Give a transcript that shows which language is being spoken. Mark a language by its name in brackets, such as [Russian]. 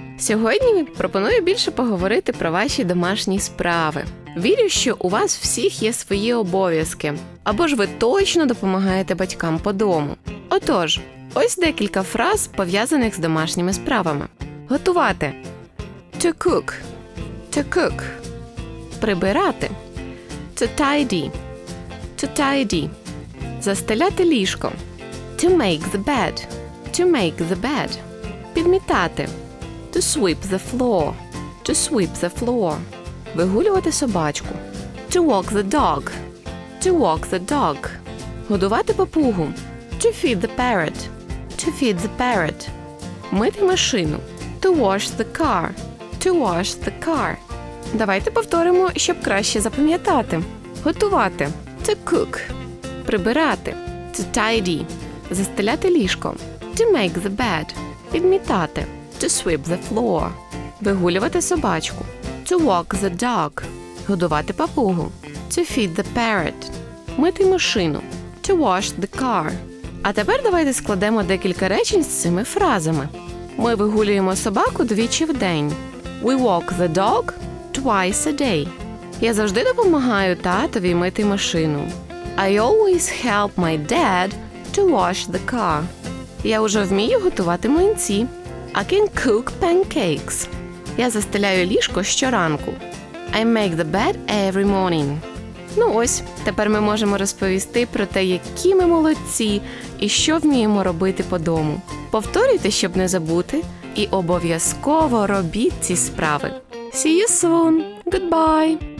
[Ukrainian] Сьогодні пропоную більше поговорити про ваші домашні справи. Вірю, що у вас всіх є свої обов'язки, або ж ви точно допомагаєте батькам по дому. Отож, ось декілька фраз, пов'язаних з домашніми справами. Готувати [English] – to cook, to cook. [Ukrainian] Прибирати, [English] to tidy, to tidy. [Ukrainian] Застеляти ліжко, [English] to make the bed, to make the bed. [Ukrainian] Підмітати, [English] to sweep the floor, to sweep the floor. [Ukrainian] Вигулювати собачку, [English] to walk the dog, to walk the dog. [Ukrainian] Годувати папугу, [English] to feed the parrot, to feed the parrot. [Ukrainian] Мити машину, [English] to wash the car, to wash the car. [Ukrainian] Давайте повторимо, щоб краще запам'ятати. Готувати [English] – to cook. [Ukrainian] Прибирати [English] – to tidy. [Ukrainian] Застеляти ліжко [English] – to make the bed. [Ukrainian] Підмітати [English] – to sweep the floor. [Ukrainian] Вигулювати собачку [English] – to walk the dog. [Ukrainian] Годувати папугу [English] – to feed the parrot. [Ukrainian] Мити машину [English] – to wash the car. [Ukrainian] А тепер давайте складемо декілька речень з цими фразами. Ми вигулюємо собаку двічі в день. [English] We walk the dog twice a day. [Ukrainian] Я завжди допомагаю татові мити машину. [English] I always help my dad to wash the car. [Ukrainian] Я уже вмію готувати млинці. [English] I can cook pancakes. [Ukrainian] Я застеляю ліжко щоранку. [English] I make the bed every morning. [Ukrainian] Ну ось, тепер ми можемо розповісти про те, які ми молодці і що вміємо робити по дому. Повторюйте, щоб не забути. І обов'язково робіть ці справи. [English] See you soon. Goodbye.